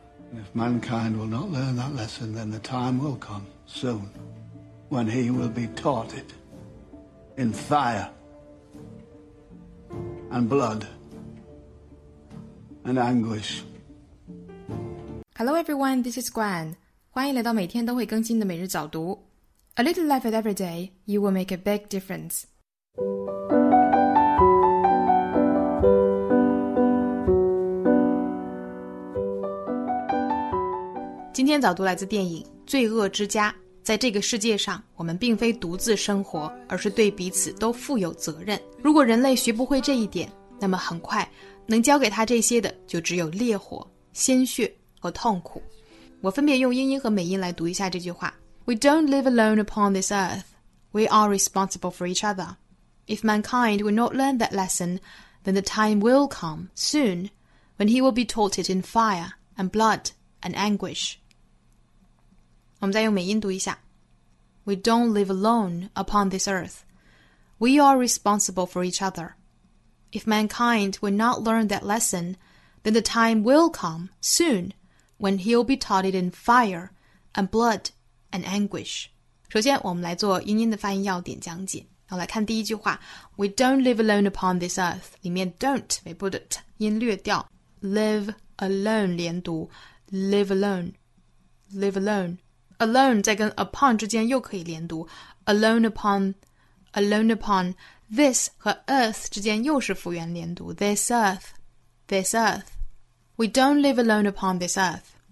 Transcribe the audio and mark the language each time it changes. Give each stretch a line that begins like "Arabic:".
English: And if mankind will not learn that lesson, then the time will come soon when he will be taught it in fire and blood and anguish. Hello everyone, this is Gwen.
Chinese: 欢迎来到每天都会更新的每日早读。
English: A little life at every day, you will make a big difference.
Chinese: 今天早读来自电影《罪恶之家》。在这个世界上，我们并非独自生活，而是对彼此都负有责任。如果人类学不会这一点，那么很快，能教给他这些的就只有烈火、鲜血和痛苦。我分别用英音和美音来读一下这句话。
English: We don't live alone upon this earth. We are responsible for each other. If mankind will not learn that lesson, then the time will come soon when he will be taught it in fire and blood and anguish.
Chinese: 我们再用美音读一下。
English: We don't live alone upon this earth. We are responsible for each other. If mankind will not learn that lesson, then the time will come soon when he'll be taught it in fire and blood and anguish.
Chinese: 首先我们来做英音的发音要点讲解。我们来看第一句话
English: We don't live alone upon this earth.
Chinese: 里面
English: don't 为 put 音略掉 Live alone 连读 Live alone Live alone Alone 在跟 upon
Chinese: 之间又可以连读
English: Alone upon Alone upon This 和 earth
Chinese: 之间又是复原连读
English: This earth This earth We don't live alone upon this earth.